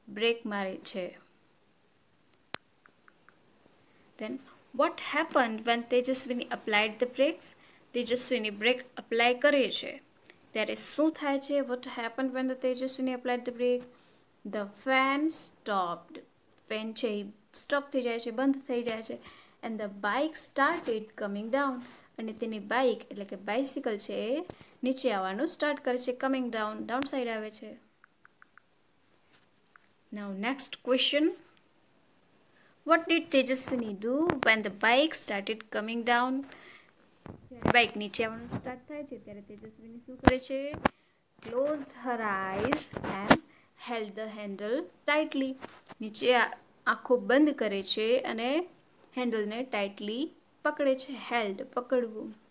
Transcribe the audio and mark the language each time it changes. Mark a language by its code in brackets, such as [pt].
[gu] Brake mare chhe. [en] Then what happened when Tejaswini applied the brakes? [gu] Tejaswini brake apply kare chhe. There is શું થાય છે? [en] What happened when the Tejaswini applied the brake? The fan stopped. [gu] Fan છે stop થઈ જાય છે, બંધ થઈ જાય છે. [en] And the bike started coming down. [gu] અને તેની bike એટલે કે bicycle છે નીચે આવવાનું start કરે છે. [en] Coming down, downside [gu] આવે છે. [en] Now next question. What did Tejaswini do when the bike started coming down? [gu] Bike નીચે આવવાનું સ્ટાર્ટ થાય છે ત્યારે તેજસ્વિની શું કરે છે? [en] Close her eyes and held the handle tightly. [gu] નીચે આંખો બંધ કરે છે અને હેન્ડલને ટાઇટલી પકડે છે. હેલ્ડ પકડવું.